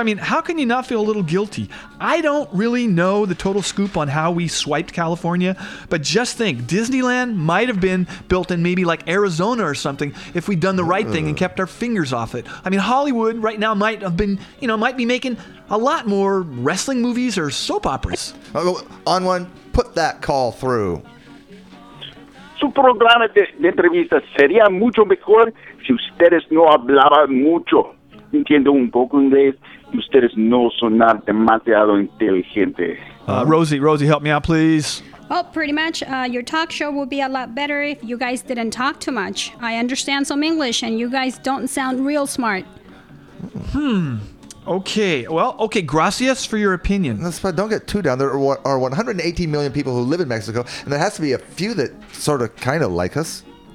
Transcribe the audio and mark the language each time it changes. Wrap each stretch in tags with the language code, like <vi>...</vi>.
<en>I mean, how can you not feel a little guilty? I don't really know the total scoop on how we swiped California, but just think, Disneyland might have been built in maybe like Arizona or something if we'd done the right thing and kept our fingers off it. I mean, Hollywood right now might have been, you know, might be making a lot more wrestling movies or soap operas. On one, put that call through.</en> <es>Su programa de entrevistas sería mucho mejor si ustedes no hablaran mucho. Entiendo un poco inglés y ustedes no sonar demasiado inteligente.</es> <en>Rosie, help me out, please. Well, pretty much. Your talk show would be a lot better if you guys didn't talk too much. I understand some English and you guys don't sound real smart. Okay. Well, okay. Gracias for your opinion. Don't get too down. There are 118 million people who live in Mexico, and there has to be a few that sort of kind of like us.</en>